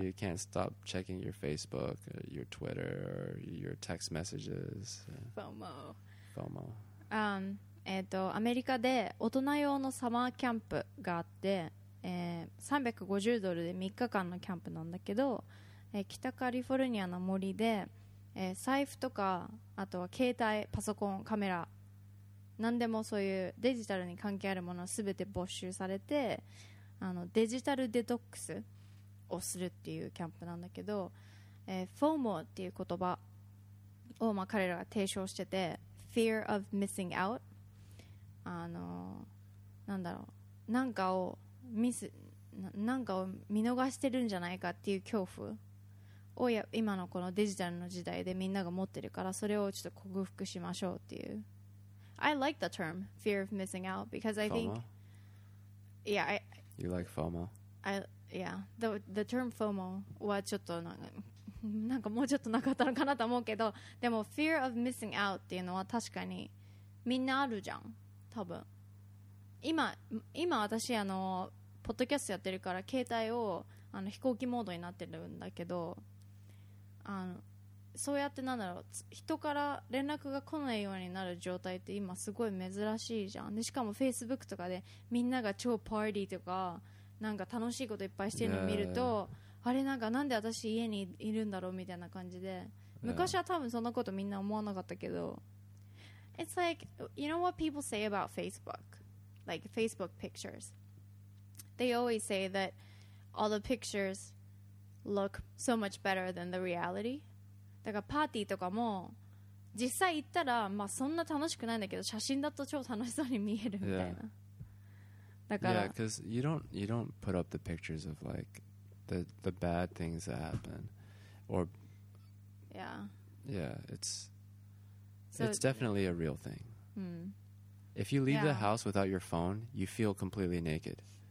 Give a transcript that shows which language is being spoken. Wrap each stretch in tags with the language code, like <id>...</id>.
<en>You can't stop checking your Facebook, your Twitter, or your text messages. FOMO. FOMO.</en> <ja>アメリカで大人用のサマーキャンプがあって、350ドルで3日間のキャンプなんだけど、北カリフォルニアの森で、財布とかあとは携帯、パソコン、カメラ何でもそういうデジタルに関係あるものすべて没収されて、デジタルデトックスをするっていうキャンプなんだけど、FOMO っていう言葉をまあ彼らが提唱してて</ja> <en>Fear of missing out、</en> <ja>なんだろう、なんかをミス なんかを見逃してるんじゃないかっていう恐怖を今のこのデジタルの時代でみんなが持ってるから、それをちょっと克服しましょうっていう。</ja> <en>I like the term fear of missing out because I think FOMO? Yeah, you like FOMO? Yeah, the term FOMO</en> <ja>はちょっとなんかもうちょっとなかったのかなと思うけど、でも</ja> <en>fear of missing out</en> <ja>っていうのは確かにみんなあるじゃん多分。今私ポッドキャストやってるから携帯を飛行機モードになってるんだけど、そうやってなんだろう、人から連絡が来ないようになる状態って今すごい珍しいじゃん。でしかもフェイスブックとかでみんなが超パーティーとかなんか楽しいこといっぱいしてるのを見ると、yeah. あれなんかなんで私家にいるんだろうみたいな感じで、yeah. 昔は多分そんなことみんな思わなかったけど、</ja> <en>It's like you know what people say about Facebook? Like Facebook pictures, they always say that all the pictures look so much better than the reality.</en> <ja>だからパーティーとかも実際行ったらまあそんな楽しくないんだけど、写真だと超楽しそうに見えるみたいな。だから</ja> <en>yeah, because you don't put up the pictures of like the bad things that happen, or yeah, it's definitely a real thing. If you leave the house without your phone, you feel completely naked.</en>